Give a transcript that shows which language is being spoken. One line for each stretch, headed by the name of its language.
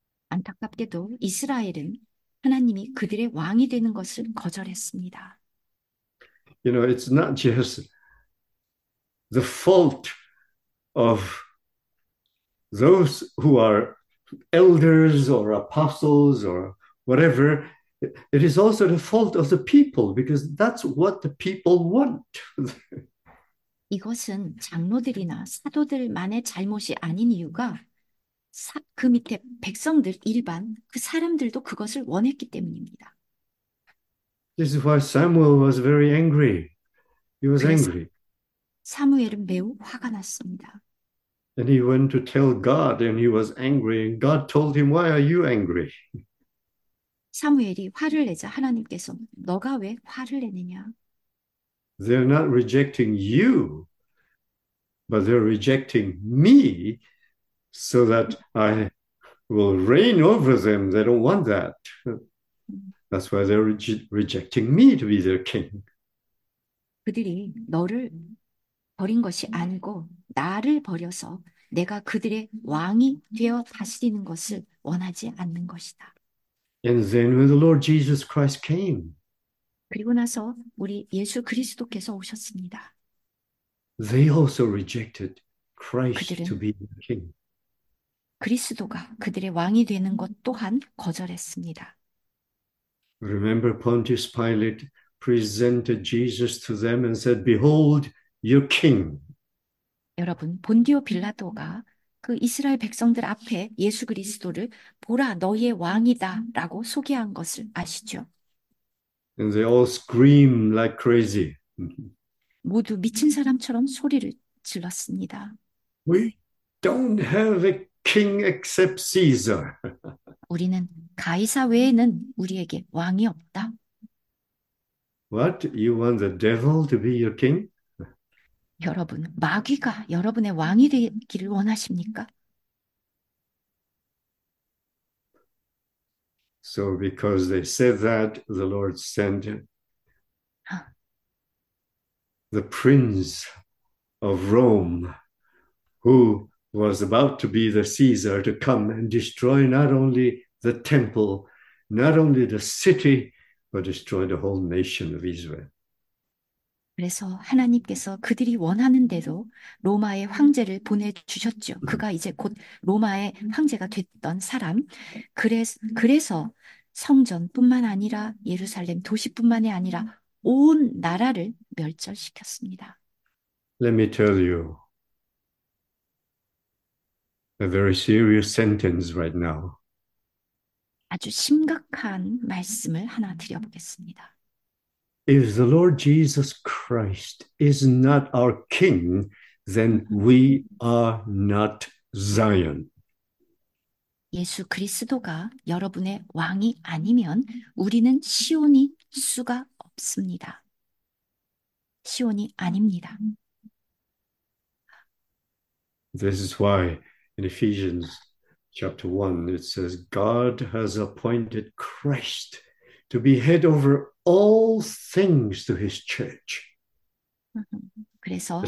Korean: 안타깝게도 이스라엘은 하나님이 그들의 왕이 되는 것을 거절했습니다.
English: You know, it's not just the fault of those who are elders or apostles or whatever. It is also the fault of the people because that's what the people want.
Korean: 이것은 장로들이나 사도들만의 잘못이 아닌 이유가 그 밑에 백성들 일반 그 사람들도 그것을 원했기 때문입니다.
English: This is why Samuel was very angry. He was
Korean: 그래서
English: angry.
Korean: 사무엘은 매우 화가 났습니다.
English: And he went to tell God, and he was angry, and God told him, Why are you angry?
Korean: 사무엘이 화를 내자 하나님께서 너가 왜 화를 내느냐?
English: They're not rejecting you, but they're rejecting me so that I will reign over them. They don't want that. That's why they're rejecting me to be their king.
Korean: 그들이 너를 버린 것이 아니고 나를 버려서 내가 그들의 왕이 되어 다스리는 것을 원하지 않는 것이다.
English: And then when the Lord Jesus Christ came,
Korean: 그리고 나서 우리 예수 그리스도께서 오셨습니다.
English: they also rejected Christ to
Korean: 그들은
English: be the king.
Korean: 그리스도가 그들의 왕이 되는 것 또한 거절했습니다.
English: Remember, Pontius Pilate presented Jesus to them and said, "Behold, your king."
Korean: 여러분, 본디오 빌라도가 그 이스라엘 백성들 앞에 예수 그리스도를 보라, 너희의 왕이다라고 소개한 것을 아시죠?
English: And they all scream like crazy.
Korean: 모두 미친 사람처럼 소리를 질렀습니다.
English: We don't have a king except Caesar.
Korean: 우리는 가이사 외에는 우리에게 왕이 없다.
English: What? You want the devil to be your king?
Korean: 여러분, 마귀가 여러분의 왕이 되기를 원하십니까?
English: So, because they said that, the Lord sent the prince of Rome, who was about to be the Caesar, to come and destroy not only the temple, not only the city, but destroy the whole nation of Israel.
Korean: 그래서 하나님께서 그들이 원하는 대로 로마의 황제를 보내주셨죠. 그가 이제 곧 로마의 황제가 됐던 사람. 그래서 성전뿐만 아니라 예루살렘 도시뿐만이 아니라 온 나라를 멸절시켰습니다.
English: Let me tell you a very serious sentence right now.
Korean: 아주 심각한 말씀을 하나 드려보겠습니다.
English: If the Lord Jesus Christ is not our King, then we are not Zion.
Korean: 예수 그리스도가 여러분의 왕이 아니면 우리는 시온일 수가 없습니다. 시온이 아닙니다.
English: This is why in Ephesians chapter 1 it says, God has appointed Christ to be head over all things to his church. The
Korean: 그래서